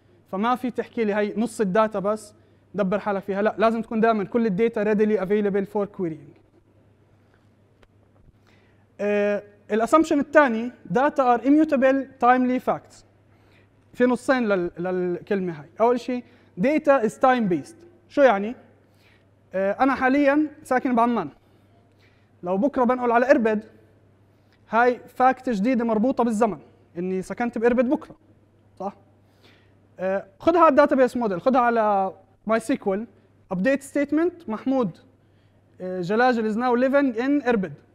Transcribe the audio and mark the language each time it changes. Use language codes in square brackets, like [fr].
[ar] فما في تحكي لي هاي نص الداتا بس دبر حالك فيها، لا لازم تكون دائما كل الداتا [en] readily available for querying. [ar] الاسامبشن الثاني [en] data are immutable timely facts. [ar] في نصين للكلمة هاي، اول شيء [en] data is time based. [ar] شو يعني؟ انا حاليا ساكن بعمان، لو بكره بنقل على اربد هاي فاكت جديدة مربوطة بالزمن اني سكنت باربد بكرة، صح؟ خدها على الداتابيس موديل، خدها على ماي سيكول ابديت ستيتمنت، محمود جلاجل [en] is now living in [ar] اربد.